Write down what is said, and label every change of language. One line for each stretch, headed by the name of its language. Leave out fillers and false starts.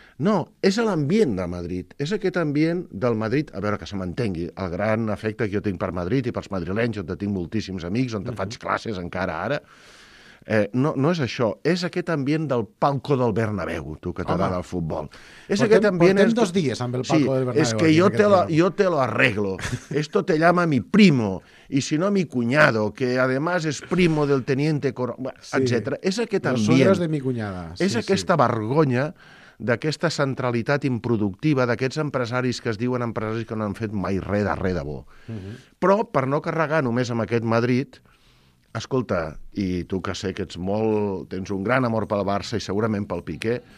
Catalan: No, és l'ambient de Madrid, és aquest ambient del Madrid, a veure que se m'entengui, el gran efecte que jo tinc per Madrid i pels madrilenys, on tinc moltíssims amics, on faig classes encara ara. No és això, és aquest ambient del palco del Bernabéu, tu que t'agrada el futbol. És aquest ambient... Portem dos dies amb el palco del Bernabéu. Sí, és que jo
Spanish: te lo arreglo. Esto te llama mi primo, y si no mi cuñado, que además es primo del teniente etcètera.
Catalan: És aquest ambient.
Spanish: Los suyos de mi cuñada.
Catalan: És aquesta vergonya d'aquesta centralitat improductiva d'aquests empresaris que es diuen empresaris que no han fet mai res de res de bo. Però, per no carregar només amb aquest Madrid... Escolta, i tu que sé que ets molt... Tens un gran amor pel Barça i segurament pel Piqué.